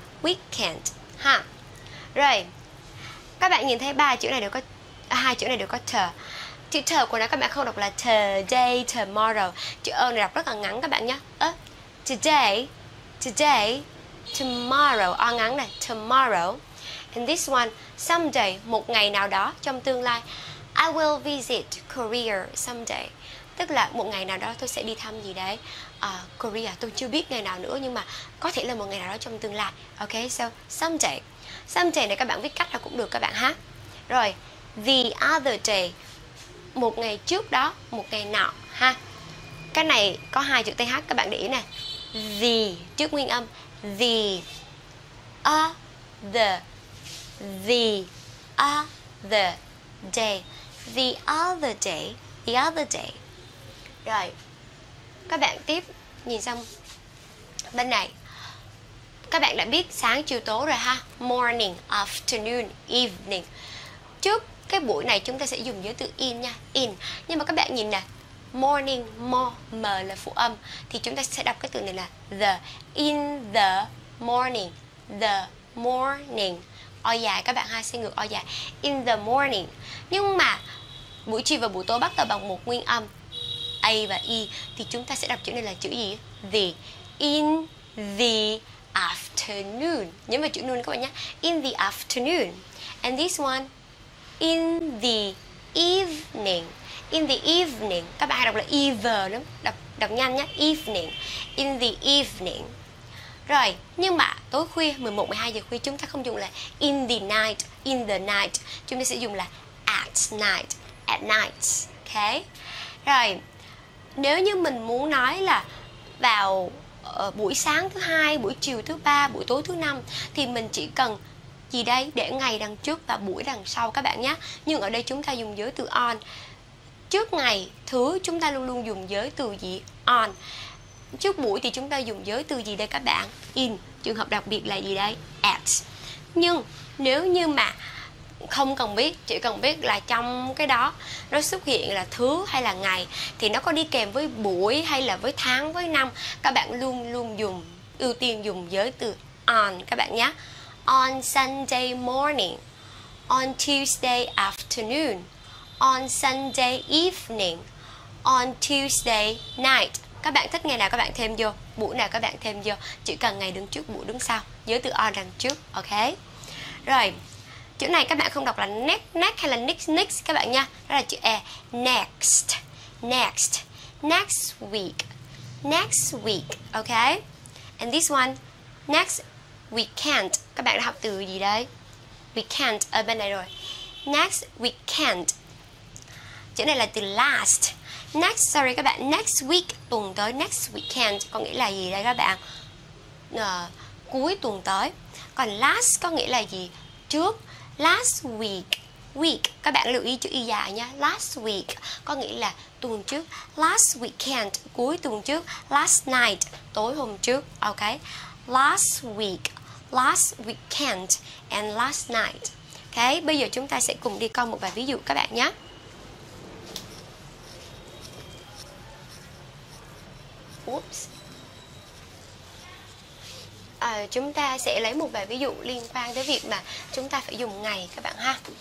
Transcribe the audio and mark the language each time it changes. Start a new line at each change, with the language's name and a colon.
Vietnamese: Weekend ha. Rồi, các bạn nhìn thấy ba chữ này đều có hai chữ này đều có t. Chữ t của nó các bạn không đọc là today, tomorrow. Chữ ơ này đọc rất là ngắn các bạn nhé.
English: Today, today, tomorrow.
Vietnamese: O ngắn này, tomorrow.
English: And this one, someday,
Vietnamese: một ngày nào đó trong tương lai.
English: I will visit Korea someday.
Vietnamese: Tức là một ngày nào đó tôi sẽ đi thăm gì đấy. Korea, tôi chưa biết ngày nào nữa nhưng mà có thể là một ngày nào đó trong tương lai. Ok, so someday. Someday này các bạn viết cách là cũng được các bạn ha. Rồi, the other day, một ngày trước đó, một ngày nào ha. Cái này có hai chữ TH các bạn để ý nè.
English: The,
Vietnamese: trước nguyên âm.
English: The other. The other day. The other day. The other day.
Vietnamese: Rồi, các bạn tiếp nhìn xong bên này. Các bạn đã biết sáng chiều tối rồi ha.
English: Morning, afternoon, evening.
Vietnamese: Trước cái buổi này chúng ta sẽ dùng dưới từ in nha, in. Nhưng mà các bạn nhìn nè, morning, m là phụ âm, thì chúng ta sẽ đọc cái từ này là the.
English: In the morning. The morning.
Vietnamese: O dài các bạn ha, sẽ ngược o dài.
English: In the morning.
Vietnamese: Nhưng mà buổi chiều và buổi tối bắt đầu bằng một nguyên âm A và E, thì chúng ta sẽ đọc chữ này là chữ gì? The.
English: In the afternoon.
Vietnamese: Nhớ vào chữ noon các bạn nhé.
English: In the afternoon. And this one, in the evening. In the evening.
Vietnamese: Các bạn hay đọc là either lắm. Đọc đọc nhanh nhé.
English: Evening. In the evening.
Vietnamese: Rồi, nhưng mà tối khuya, 11, 12 giờ khuya, chúng ta không dùng là
English: in the night, in the night.
Vietnamese: Chúng ta sẽ dùng là
English: at night, at night. Ok?
Vietnamese: Rồi, nếu như mình muốn nói là vào buổi sáng thứ hai, buổi chiều thứ ba, buổi tối thứ năm, thì mình chỉ cần gì đây? Để ngày đằng trước và buổi đằng sau các bạn nhé. Nhưng ở đây chúng ta dùng giới từ on. Trước ngày, thứ, chúng ta luôn luôn dùng giới từ gì? On. Trước buổi thì chúng ta dùng giới từ gì đây các bạn? In. Trường hợp đặc biệt là gì đây? At. Nhưng nếu như mà không cần biết, chỉ cần biết là trong cái đó nó xuất hiện là thứ hay là ngày, thì nó có đi kèm với buổi hay là với tháng, với năm, các bạn luôn luôn dùng, ưu tiên dùng giới từ on các bạn nhé.
English: On Sunday morning, on Tuesday afternoon, on Sunday evening, on Tuesday night.
Vietnamese: Các bạn thích ngày nào các bạn thêm vô, buổi nào các bạn thêm vô, chỉ cần ngày đứng trước, buổi đứng sau, giới từ on đằng trước, ok? Rồi, chữ này các bạn không đọc là next, next hay là next, next các bạn nha. Đó là chữ E.
English: Next, next, next week, next week, ok? And this one, next weekend,
Vietnamese: các bạn đã học từ gì đấy? Weekend, ở bên này rồi. Next weekend, chữ này là từ last. Next, sorry các bạn, next week, tuần tới, next weekend có nghĩa là gì đây các bạn? Cuối tuần tới. Còn last có nghĩa là gì? Trước. Last week, week, các bạn lưu ý chữ y dài nha.
English: Last week
Vietnamese: có nghĩa là tuần trước.
English: Last weekend,
Vietnamese: cuối tuần trước.
English: Last night,
Vietnamese: tối hôm trước.
English: Ok, last week, last weekend and last night.
Vietnamese: Ok, bây giờ chúng ta sẽ cùng đi coi một vài ví dụ các bạn nhé. Oops. Chúng ta sẽ lấy một vài ví dụ liên quan tới việc mà chúng ta phải dùng ngày các bạn ha.